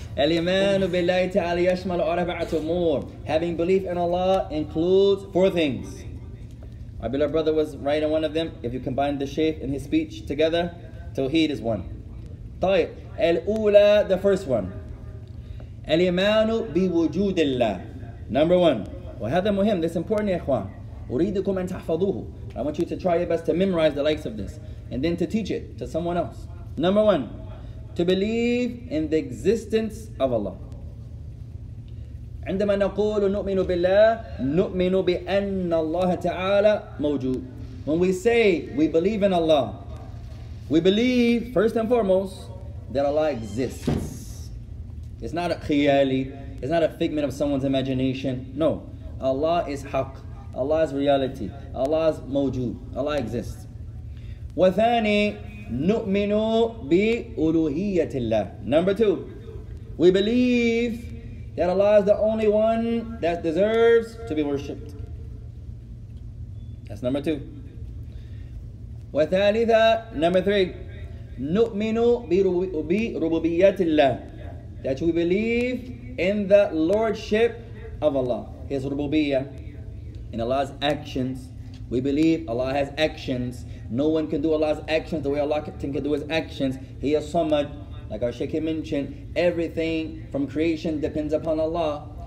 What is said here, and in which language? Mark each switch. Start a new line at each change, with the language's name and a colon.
Arabic: الإيمان بالله تعالى يشمل أربعة أمور.
English: Having belief in Allah includes four things. Our beloved brother was right on one of them. If you combine the shaykh and his speech together, tawheed is one. طيب.
Arabic: الأولى,
English: the first one.
Arabic: الإيمان بوجود الله.
English: Number one.
Arabic: وهذا مهم.
English: This is important, ya ikhwan.
Arabic: أريدكم أن تحفظوه.
English: I want you to try your best to memorize the likes of this, and then to teach it to someone else. Number one, to believe in the existence of Allah.
Arabic: عندما نقول نؤمن بالله نؤمن بأن الله تعالى موجود.
English: When we say we believe in Allah, we believe first and foremost that Allah exists. It's not a khiyali, it's not a figment of someone's imagination. No, Allah is haq, Allah is reality, Allah is موجود, Allah exists.
Arabic: وثاني, نؤمن بألوهية الله.
English: Number two, we believe that Allah is the only one that deserves to be worshipped. That's number two.
Arabic: وثالثة,
English: number three,
Arabic: نؤمن بربوبية الله.
English: That we believe in the lordship of Allah, His ربوبية, in Allah's actions. We believe Allah has actions. No one can do Allah's actions the way Allah can do His actions. He is Samad. Like our Shaykh mentioned, everything from creation depends upon Allah.